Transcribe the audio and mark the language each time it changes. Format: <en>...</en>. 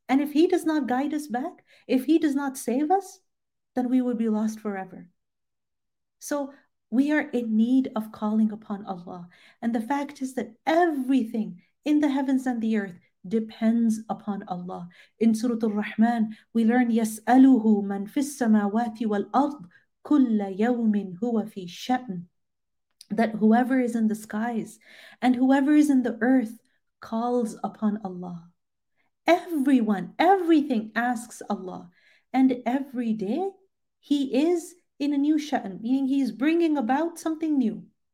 <en>And if He does not guide us back, if He does not save us, then we would be lost forever. So we are in need of calling upon Allah. And the fact is that everything in the heavens and the earth depends upon Allah.</en> <ar>In Surah Al-Rahman, we learn, يَسْأَلُهُ مَنْ فِي السَّمَاوَاتِ وَالْأَرْضِ كُلَّ يَوْمٍ هُوَ فِي شَأْنٍ.</ar> <en>That whoever is in the skies and whoever is in the earth calls upon Allah. Everyone, everything asks Allah. And every day he is in a new sha'an, meaning he's bringing about something new.</en>